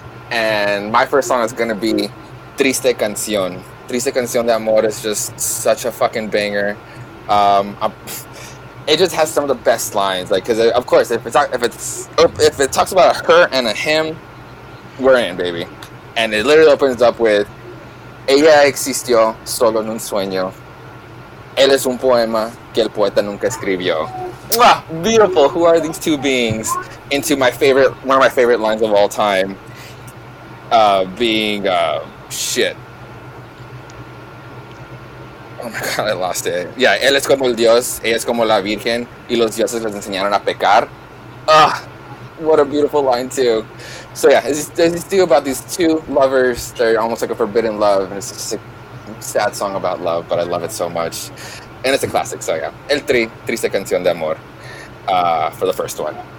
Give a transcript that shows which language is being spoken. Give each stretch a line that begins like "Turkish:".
English: And my first song is going to be Triste Canción. Triste Canción de Amor is just such a fucking banger. It just has some of the best lines. Like, because, of course, if it talks about a her and a him, we're in, baby. And it literally opens up with,
Spanish: ella existió solo en un sueño. Él es un poema que el poeta nunca escribió.
English: Mwah! Beautiful. Who are these two beings? Into my favorite, one of my favorite lines of all time, being shit. Oh my god, I lost it.
Spanish: Yeah, él es como el Dios, ella es como la Virgen, y los dioses les enseñaron a pecar.
English: Ah, what a beautiful line too. So yeah, it's still about these two lovers. They're almost like a forbidden love, and it's just a sad song about love, but I love it so much. And it's a classic, so yeah. El Tri, Triste Canción de Amor, for the first one.